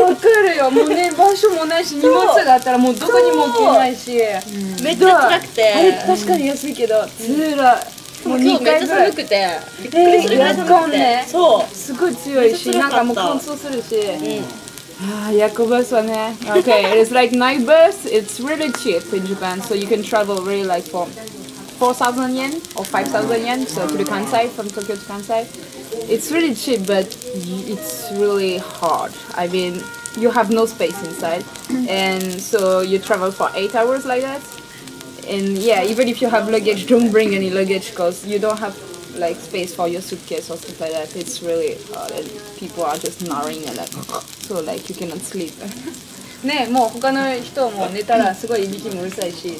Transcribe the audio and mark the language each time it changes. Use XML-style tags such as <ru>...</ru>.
<ja>わかるよ、もうね、場所もないし、荷物があったらもうどこにも置けないし、うん、めっちゃ辛くて。あれ確かに安いけど、辛い、うん、もう2回ぐらい。めっちゃ寒くて、びっくりするぐらい寒くて、ね、そう、すごい強いし、なんかもう乾燥するし、うん。</ja> <en>Ah, Yakubus, okay, it is like night bus. It's really cheap in Japan, so you can travel really like for 4,000 yen or 5,000 yen, so to the Kansai, from Tokyo to Kansai. It's really cheap, but it's really hard. I mean, you have no space inside, and so you travel for 8 hours like that. And yeah, even if you have luggage, don't bring any luggage because you don't have like space for your suitcase or stuff like that. It's really hard, and people are just gnawing and like. So like you cannot sleep.</en> <ja>ね、もう他の人も寝たらすごいいびきもうるさいし、</ja>